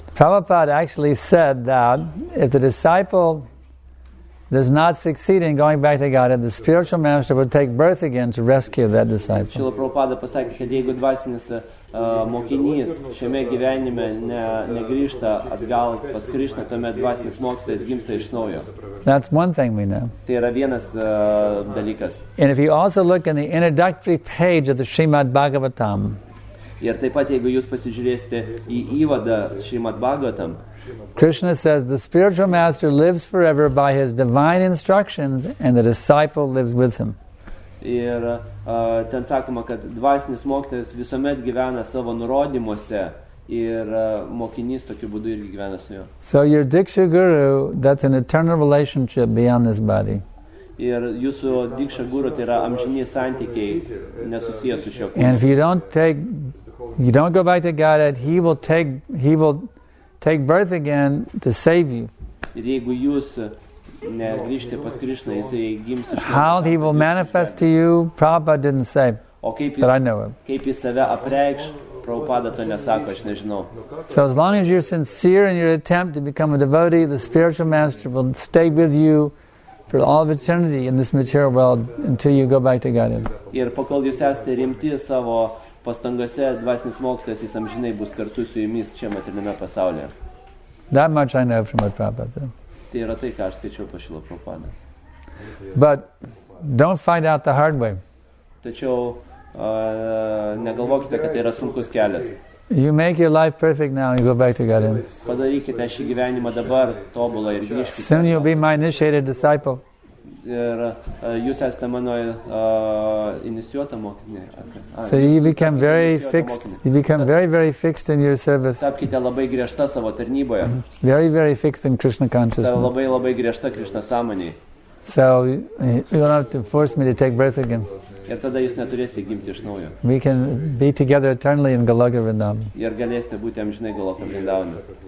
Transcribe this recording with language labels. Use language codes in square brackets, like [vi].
[en] Prabhupada actually said that if the disciple does not succeed in going back to Godhead, the spiritual master would take birth again to rescue that disciple. [lt] Srila Prabhupada pasakė, kad jeigu dvasinis mokinys šiame gyvenime negrįžta atgal pas Krišną, tuomet dvasinis mokytojas gimsta iš naujo. [en] That's one thing we know. [lt] Tai yra vienas dalykas. [en] And if you also look in the introductory page of the Srimad Bhagavatam, [lt] ir taip pat, jeigu jūs pasižiūrėsite į įvadą Srimad Bhagavatam, [en] Krishna says the spiritual master lives forever by his divine instructions and the disciple lives with him. [lt] Ir ten sakoma, kad dvasinis mokytojas visuomet gyvena savo nurodymuose ir mokinys tokiu būdu irgi gyvena su juo. [en] So your Diksha Guru, that's an eternal relationship beyond this body. [lt] Ir jūsų Diksha Guru tai yra amžini santykiai nesusiję su šiuo kūnu. [en] And if you don't go back to Godhead, he will take birth again to save you. [lt] Ir jeigu jūs negrįžti pas Krišną, jisai gims iš naujo. [en] How he will manifest to you, Prabhupada didn't say, but I know him. [lt] Kaip jis save apreikš, Prabhupada to nesako, aš nežinau. [en] So as long as you're sincere in your attempt to become a devotee, the spiritual master will stay with you for all of eternity in this material world until you go back to Godhead. [lt] Ir pakol jūs esate rimti savo pastangose, dvasinis mokytojas, jis amžinai bus kartu su jumis čia materialiame pasaulyje. [en] That much I know from my Prabhupada. [lt] Tai yra tai, ką aš skaičiau pas Šrilą Prabhupadą. [en] But don't find out the hard way. [lt] Tačiau negalvokite, kad tai yra sunkus kelias. [en] You make your life perfect now and you go back to Godhead. [lt] Padarykite šį gyvenimą dabar tobulą ir grįžkite. [en] Soon you'll be my initiated disciple. [lt] Ir jūs esate mano inicijuota mokinė. [en] So you become very, very fixed in your service. [lt] Tapkite labai griežta savo tarnyboje. [en] Very, very fixed in Krishna consciousness. [lt] Labai, labai griežta Krishna sąmonėje. [en] So you don't have to force me to take birth again. [lt] Ir tada jūs neturėsite gimti iš naujo. [en] We can be together eternally in Goloka Vrindavan. [lt] Ir galėsite būti amžinai Goloka Vrindavane.